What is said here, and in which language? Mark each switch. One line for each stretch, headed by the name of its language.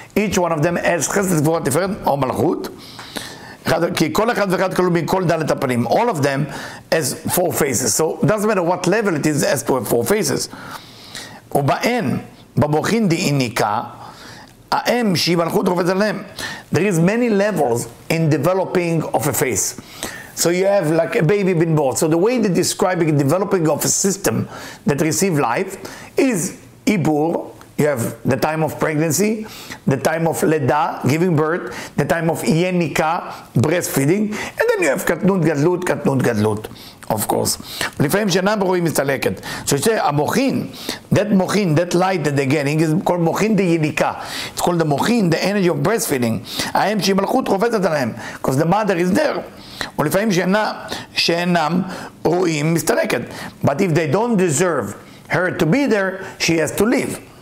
English: Each one of them has chesed gvurah tiferet or malchut,
Hebrew: כי כל אחד ואחד כלום מכל דלת הפנים.
English: All of them has four faces. So it doesn't matter what level it is, has four faces.
Hebrew: ובהן, במוחין דעיניקה, האם שהיא מלכות רובץ עליהם.
English: There is many levels in developing of a face. So you have like a baby been born. So the way they're describing developing of a system that receive life is Ibur. You have the time of pregnancy, the time of leda, giving birth, the time of yenika, breastfeeding, and then you have katnut gadlut, katnut gadlut, of course.
Hebrew: לפעמים שאינם רואים מסתלקת.
English: So you say, המוחין, that light that they're getting, is called מוחין de yenika. It's called the מוחין, the energy of breastfeeding.
Hebrew: האם שהיא מלכות רובצת עליהם,
English: because the mother is there.
Hebrew: ולפעמים שאינם רואים מסתלקת.
English: But if they don't deserve her to be there, she has to leave.